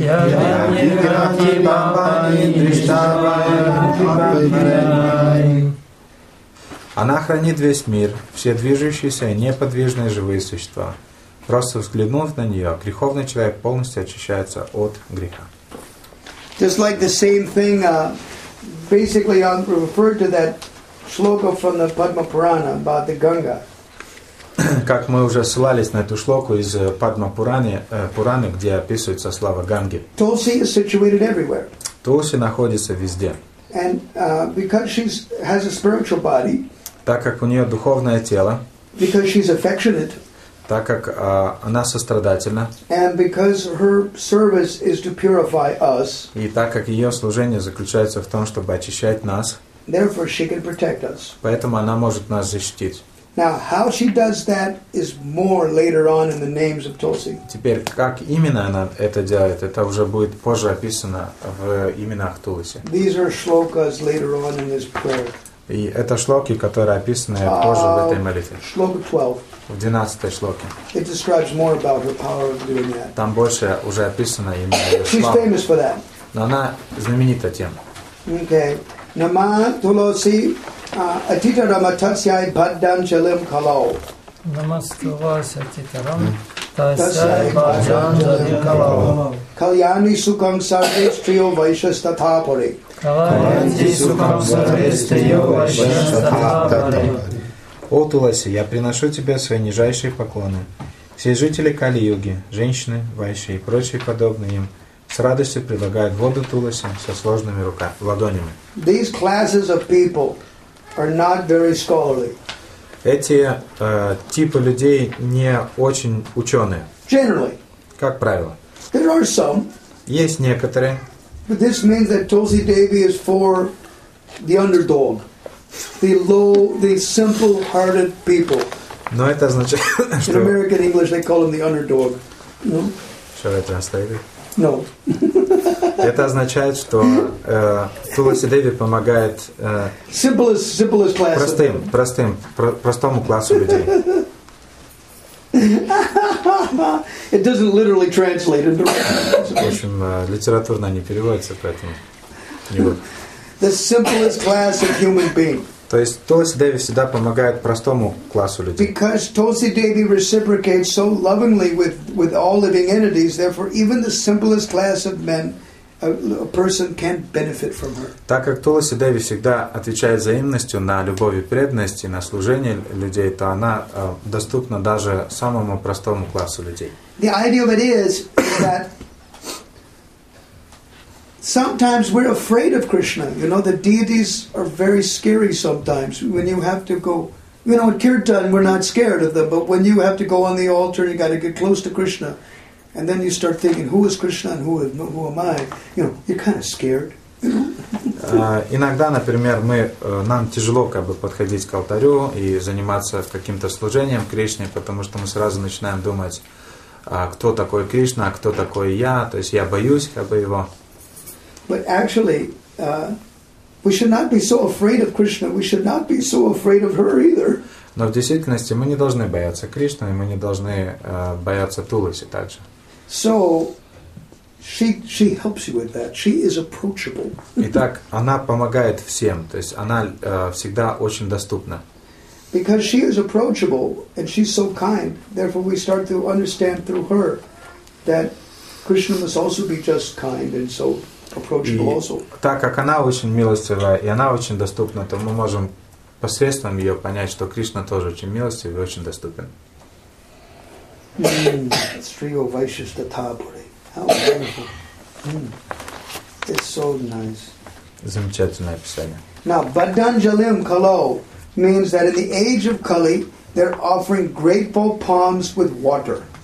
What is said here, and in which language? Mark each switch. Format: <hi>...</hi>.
<sa>Явани ханти папани дриштавай папапиранарайи.</sa> <ru>Она хранит весь мир, все движущиеся и неподвижные живые существа. Просто взглянув на нее, греховный человек полностью очищается от греха.</ru> <en>Just like the same thing, basically I referred to that shloka from the Padma Purana about the Ganga.</en> <ru>Как мы уже ссылались на эту шлоку из Падма Пураны, где описывается слава Ганги.</ru> <en>Tulsi is situated everywhere.</en> <ru>Tulsi находится везде.</ru> <en>And because she has a spiritual body.</en> <ru>Так как у нее духовное тело.</ru> <en>Because she's affectionate.</en> <ru>Так как она сострадательна.</ru> <en>And because her service is to purify us.</en> <ru>И так как ее служение заключается в том, чтобы очищать нас.</ru> <en>Therefore, she can protect us.</en> <ru>Поэтому она может нас защитить.</ru> <en>Now, how she does that is more later on in the names of Tulsi.</en> <ru>Теперь как именно она это делает, это уже будет позже описано в именах Тулси.</ru> <en>These are shlokas later on in this prayer.</en> <ru>И это шлоки, которые описаны позже в этой молитве.</ru> <en>Shloka 12.</en> <ru>В 12 шлоке.</ru> <en>It describes more about her power of doing that.</en> <ru>Там больше уже описано именно ее слава.</ru> <en>She's famous for that.</en> <ru>Но она знаменита тем.</ru> <sa>Okay. Nama Tulsi. Atita ramatasyai baddam chalim kalau. Namaskavas atitaram tasyai baddam chalim kalau. Kalyani sukham sarvesh triyo vaishas tathapari. Kalyani sukham sarvesh triyo vaishas tathapari.</sa> <ru>О, Туласи, я приношу тебе свои нижайшие поклоны. Все жители Кали-юги, женщины, вайши и прочие подобные им, с радостью предлагают воду Туласи со сложными руками, ладонями.</ru> <en>These classes of people are not very scholarly.</en> <ru>Эти типы людей не очень ученые.</ru> <en>Generally.</en> <ru>Как правило.</ru> <en>There are some.</en> <ru>Есть некоторые.</ru> <en>But this means that Tulsi Devi is for the underdog, the low, the simple-hearted people.</en> <ru>Но это означает, что.</ru> <en>In American English, they call him the underdog. No. Shall I translate it? No.</en> <ru>Это означает, что Тулси Деви помогает</ru> <en>simplest class</en> <ru>простым, of простым, простому классу людей.</ru> <en>It doesn't literally translate into.</en> <ru>В общем, литературно не переводится, поэтому не буду.</ru> <en>The simplest class of human being.</en> <ru>То есть Тулси Деви всегда помогает простому классу людей.</ru> <en>Because Tulsi Devi reciprocates so lovingly with all living entities, therefore even the simplest class of men. A person can benefit from her.</en> <ru>Так как Тулси Деви всегда отвечает взаимностью на любовь и преданность и на служение людей, то она доступна даже самому простому классу людей.</ru> <en>The idea of it is that sometimes we're afraid of Krishna. You know, the deities are very scary sometimes. When you have to go, you know, in Kirtan we're not scared of them, but when you have to go on the altar, you got to get close to Krishna. And then you start thinking, who is Krishna and who am I? You know, you're kind of scared.</en> <ru>Иногда, например, нам тяжело как бы подходить к алтарю и заниматься каким-то служением Кришне, потому что мы сразу начинаем думать, кто такой Кришна, а кто такой я, то есть я боюсь как бы его.</ru> <en>But actually, we should not be so afraid of Krishna, we should not be so afraid of her either.</en> <ru>Но в действительности мы не должны бояться Кришны, и мы не должны бояться Тулси также.</ru> <en>So she helps you with that. She is approachable.</en> <ru>Итак, она помогает всем, то есть она всегда очень доступна.</ru> <en>Because she is approachable and she's so kind, therefore we start to understand through her that Krishna must also be just kind and so approachable also.</en> <ru>Так как она очень милостивая и она очень доступна, то мы можем посредством ее понять, что Кришна тоже очень милостив и очень доступен.</ru> <sa>Shriyo Vaishas Tathapuri.</sa> <en>How wonderful. It's so nice.</en> <ru>Замечательное описание.</ru> <en>Now, Baddanjalim Kalo means that in the age of Kali, they're offering grateful palms with water.</en>